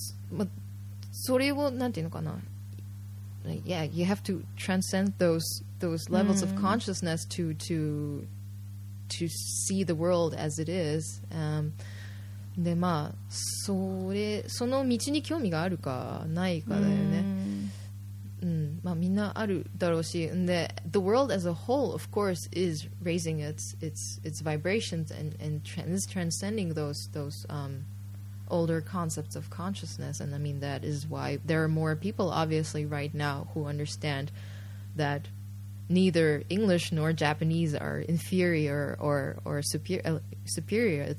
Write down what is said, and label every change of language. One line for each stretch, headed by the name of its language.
Japanese: で、まあ、それをなんていうのかな。
English: Yeah, you have to transcend those levels of consciousness to see the world as it is.
Japanese: で、まあ、その道に興味があるかないかだよね。うん、まあ、みんなあるだろうし。
English: And the world as a whole, of course, is raising its vibrations and is transcending those older concepts of consciousness, and I mean that is why there are more people obviously right now who understand that neither English nor Japanese are inferior or superior.